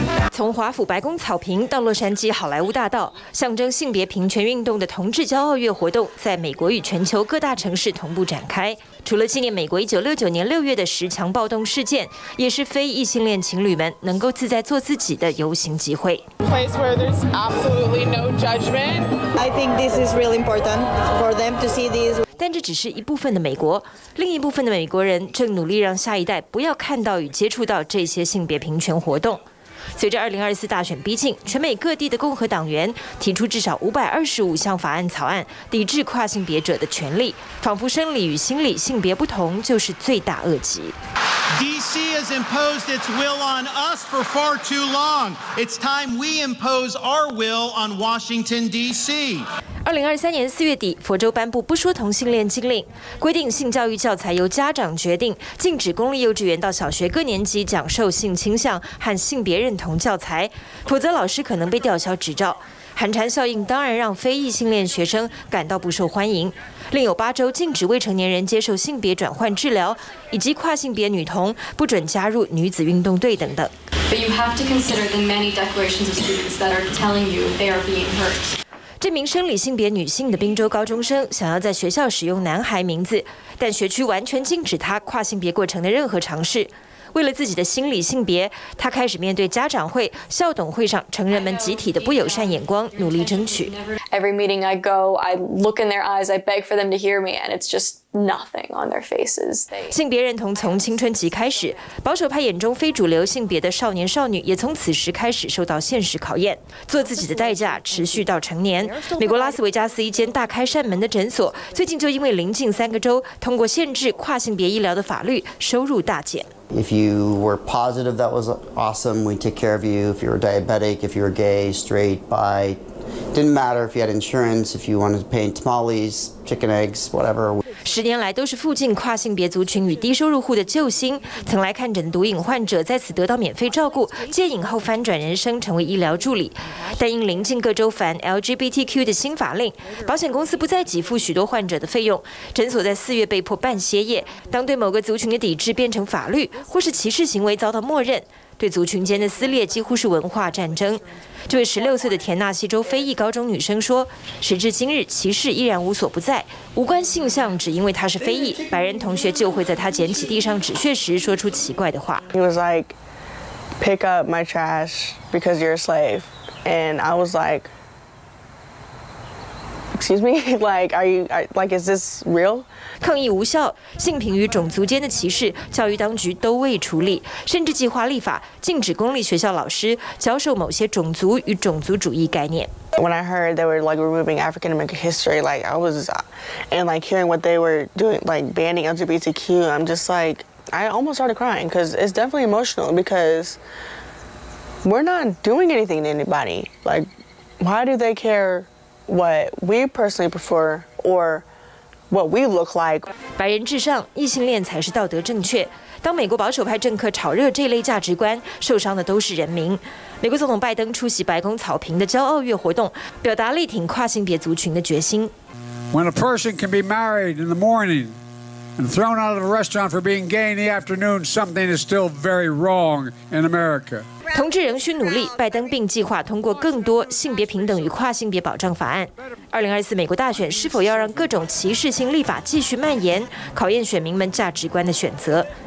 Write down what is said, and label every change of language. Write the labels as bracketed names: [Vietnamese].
[Chinese] 从华府白宫草坪到洛杉矶好莱坞大道，象征性别平权运动的同志骄傲月活动在美国与全球各大城市同步展开。除了纪念美国1969年6月的十强暴动事件，也是非异性恋情侣们能够自在做自己的游行机会。 [English] Place where there's absolutely no judgment. I think this is really important for them to see these. [Chinese] 但这只是一部分的美国，另一部分的美国人正努力让下一代不要看到与接触到这些性别平权活动。随着2024大选逼近，全美各地的共和党员提出至少525项法案草案，抵制跨性别者的权利，仿佛生理与心理性别不同就是最大恶极。 [English] DC has imposed its will on us for far too long. It's time we impose our will on Washington DC. [Chinese] 2023年四月底，佛州颁布不说同性恋禁令，规定性教育教材由家长决定，禁止公立幼稚园到小学各年级讲授性倾向和性别认同教材，否则老师可能被吊销执照。寒蝉效应当然让非异性恋学生感到不受欢迎。另有8州禁止未成年人接受性别转换治疗，以及跨性别女童不准加入女子运动队等等。 [English] But you have to consider the many declarations of students that are telling you they are being hurt. [Chinese] 这名生理性别女性的宾州高中生想要在学校使用男孩名字，但学区完全禁止她跨性别过程的任何尝试。为了自己的心理性别，她开始面对家长会、校董会上成人们集体的不友善眼光，努力争取。 [English] Every meeting I go, I look in their eyes, I beg for them to hear me, and it's just nothing on their faces. [Chinese] 性别认同从青春期开始，保守派眼中非主流性别的少年少女也从此时开始受到现实考验，做自己的代价持续到成年。美国拉斯维加斯一间大开扇门的诊所，最近就因为临近3个州通过限制跨性别医疗的法律，收入大减。 [English] If you were positive, that was awesome. We take care of you. If you were diabetic, if you were gay, straight, bi, didn't matter if you had insurance, if you wanted to pay in tamales, chicken eggs, whatever. [Chinese] 十年来都是附近跨性别族群与低收入户的救星，曾来看诊的毒瘾患者在此得到免费照顾，戒瘾后翻转人生，成为医疗助理。但因临近各州反 LGBTQ 的新法令，保险公司不再给付许多患者的费用，诊所在四月被迫半歇业。当对某个族群的抵制变成法律，或是歧视行为遭到默认，对族群间的撕裂几乎是文化战争。这位16岁的田纳西州非裔高中女生说，时至今日歧视依然无所不在，无关性向，只因为她是非裔，白人同学就会在她捡起地上纸屑时说出奇怪的话。 [English] He was like, pick up my trash because you're a slave. And I was like, excuse me, like, are you, like, is this real? [Chinese] 抗议无效，性平与种族间的歧视，教育当局都未处理，甚至计划立法禁止公立学校老师教授某些种族与种族主义概念。 [English] When I heard they were like removing African American history, like I was, and like hearing what they were doing, like banning LGBTQ, I'm just like I almost started crying because it's definitely emotional because we're not doing anything to anybody. Like, why do they care what we personally prefer or? What we look like. [Chinese] 白人至上，异性恋才是道德正确。当美国保守派政客炒热这类价值观，受伤的都是人民。美国总统拜登出席白宫草坪的骄傲月活动，表达力挺跨性别族群的决心。 [English] When a person can be married in the morning and thrown out of a restaurant for being gay in the afternoon, something is still very wrong in America. [Chinese] 同志仍需努力，拜登并计划通过更多性别平等与跨性别保障法案。 2024美国大选是否要让各种歧视性立法继续蔓延，考验选民们价值观的选择。